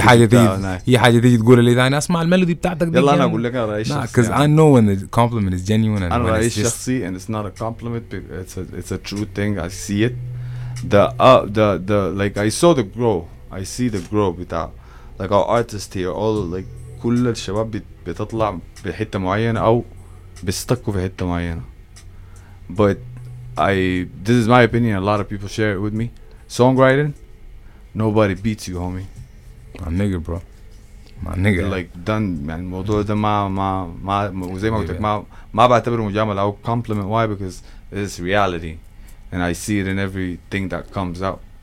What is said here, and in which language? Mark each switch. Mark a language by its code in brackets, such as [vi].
[ar] حاجة تيجي, هي حاجة تيجي تقول لي ده أنا أسمع الملودي بتاعتك دي. يلا أنا أقول لك أنا رأيي شخصي. [en] Because I know when the compliment is genuine. [ar] أنا رأيي شخصي [en] and it's not a compliment, it's a true thing. I see it. The like I saw the grow. I see the grow بتاع like our artists here. All like [ar] كل الشباب بتطلع بحتة معينة أو بيستكوا في حتة معينة. [en] But this is my opinion. A lot of people share it with me. Songwriting, nobody beats you, homie. My nigga, bro. Like done, man. [ar] الموضوع ده ما وزي ما قلت لك ما بعتبره مجاملة أو compliment. [en] Why? Because it's reality, and I see it in everything that comes out.